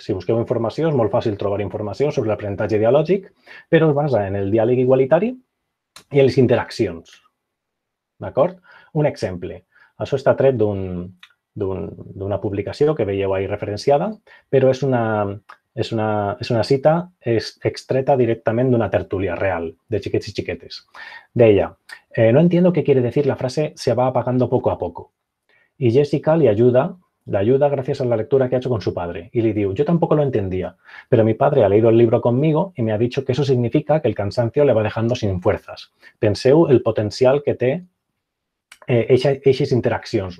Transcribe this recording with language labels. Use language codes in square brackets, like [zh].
[ca] Si busqueu informació, és molt fàcil trobar informació sobre l'aprenentatge dialògic, però es basa en el diàleg igualitari i en les interaccions. D'acord? Un exemple. Això està tret d'una publicació que veieu ahí referenciada, però és una cita extreta directament d'una tertúlia real de xiquets i xiquetes. [es] Deia, no entiendo qué quiere decir la frase se va apagando poco a poco. Y Jessica le ayuda gracias a la lectura que ha hecho con su padre. Y le digo, yo tampoco lo entendía, pero mi padre ha leído el libro conmigo y me ha dicho que eso significa que el cansancio le va dejando sin fuerzas. [ca] Penseu el potencial que té eixes interaccions.